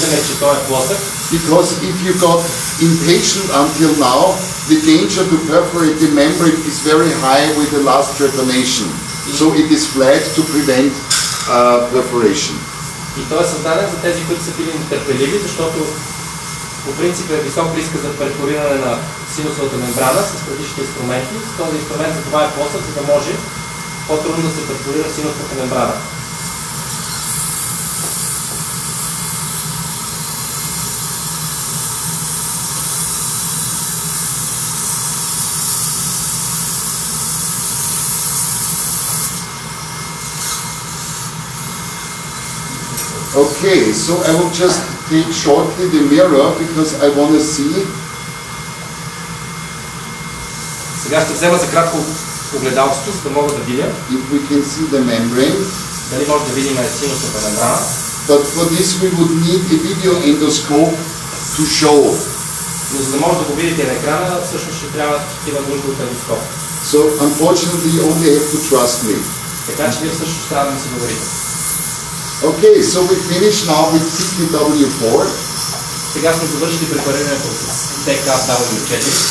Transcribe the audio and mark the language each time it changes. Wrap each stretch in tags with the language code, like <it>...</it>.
<en>Because if you got impatient until now, the danger to perforate the membrane is very high with the last trepanation. So it is flat to prevent perforation.</en> <bg>И той е създаден за тези, които са били нетърпеливи, защото по принцип е висок риск за перфориране на синусовата мембрана с предишните инструменти. С този инструмент за това е плосък, за да може по-трудно да се перфорира синусовата мембрана.</bg> <en>Okay, so I will just take shortly the mirror because I want to see.</en> <bg>Сега ще взема за кратко огледалството, за да мога да видя.</bg> <en>If we can see the membrane.</en> <bg>Дали може да видим синусовата мембрана.</bg> <en>But for this we would need a video endoscope to show.</en> <bg>Но за да може да го видите на екрана, всъщност ще трябва такива нужда от ендоскоп.</bg> <en>So unfortunately you only have to trust me.</en> <bg>Така че вие всъщност трябва да ми се доверите.</bg> <en>Okay, so we finish now with TKW-4.</en> <bg>Сега сме завършили препарирането с TKW-4.</bg>